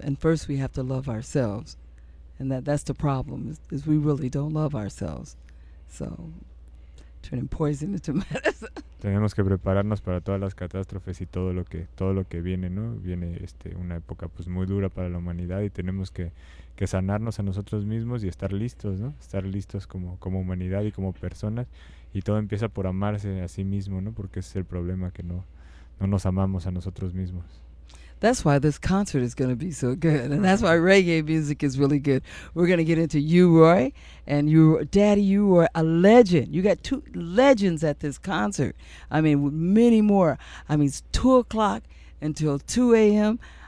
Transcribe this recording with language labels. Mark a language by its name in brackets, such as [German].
[English] And first we have to love ourselves. And that's the problem, is we really don't love ourselves. So turning poison into medicine. [Spanish] Tenemos que prepararnos para todas las catástrofes y todo lo que viene, ¿no? Viene una época pues muy dura para la humanidad y tenemos que sanarnos a nosotros mismos y estar listos, ¿no? Estar listos como humanidad y como personas. Y todo empieza por amarse a sí mismo, ¿no? Porque ese es el problema, que no nos amamos a nosotros mismos. [English] That's why this concert is going to be so good. And that's why reggae music is really good. We're going to get into you, Roy. And you, Daddy, you are a legend. You got two legends at this concert. I mean, with many more. I mean, it's 2 o'clock until 2 a.m.